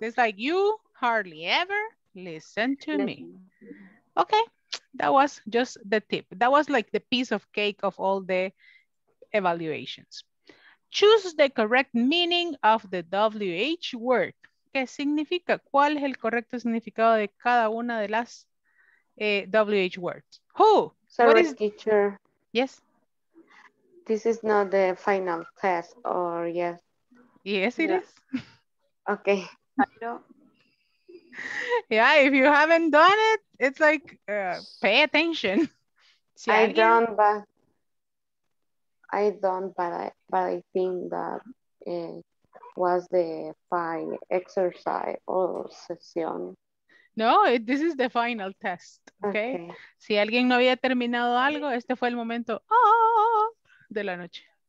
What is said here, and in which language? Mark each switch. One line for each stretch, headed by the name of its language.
English: It's like you hardly ever listen to me. Okay, that was just the tip. That was like the piece of cake of all the evaluations. Choose the correct meaning of the WH word.
Spanish: ¿Qué significa? ¿Cuál es el correcto significado de cada una de las WH words?
English: Who? Sorry, what is teacher. Yes. This is not the final test, or yes. Yes, it is. Okay. Yeah, if you haven't done it, it's like pay attention. Si I don't, but I think that it was the fine exercise or session. No, this is the final test, okay?
Spanish: Si alguien no había terminado algo, este fue el momento de la noche.